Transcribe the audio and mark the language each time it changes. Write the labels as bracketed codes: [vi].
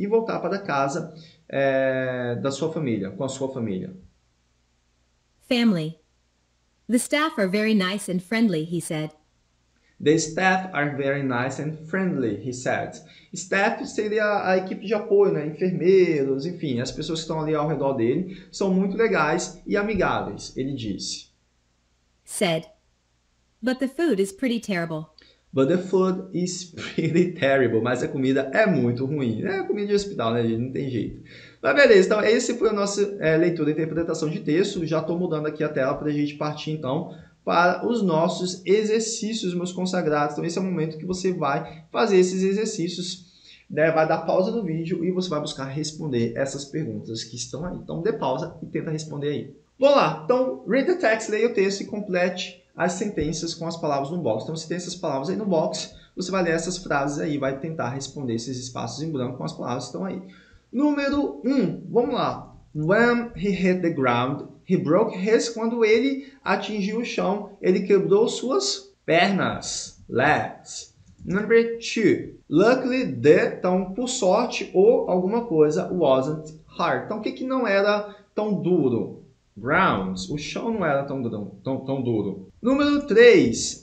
[pt] E voltar para casa da sua família, com a sua família. [en] Family. The staff are very nice and friendly, he said. The staff are very nice and friendly, he said. [pt] Staff seria a equipe de apoio, né? Enfermeiros, enfim, as pessoas que estão ali ao redor dele são muito legais e amigáveis, ele disse. [en] Said. But the food is pretty terrible. But the food is pretty terrible. [pt] Mas a comida é muito ruim. É comida de hospital, né, gente? Não tem jeito. Mas beleza, então esse foi a nossa leitura e interpretação de texto. Já estou mudando aqui a tela para a gente partir, então, para os nossos exercícios, meus consagrados. Então, esse é o momento que você vai fazer esses exercícios, né? Vai dar pausa no vídeo e você vai buscar responder essas perguntas que estão aí. Então, dê pausa e tenta responder aí. Vamos lá. Então, [en] read the text, [pt] leia o texto e complete as sentenças com as palavras no box. Então, se tem essas palavras aí no box, você vai ler essas frases aí, vai tentar responder esses espaços em branco com as palavras que estão aí. Número 1, vamos lá. [en] When he hit the ground, he broke his... [pt] Quando ele atingiu o chão, ele quebrou suas pernas. Legs. [en] Number 2. Luckily, the... [pt] Então, por sorte ou alguma coisa, [en] wasn't hard. [pt] Então, o que, que não era tão duro? Ground. O chão não era tão duro. Número 3.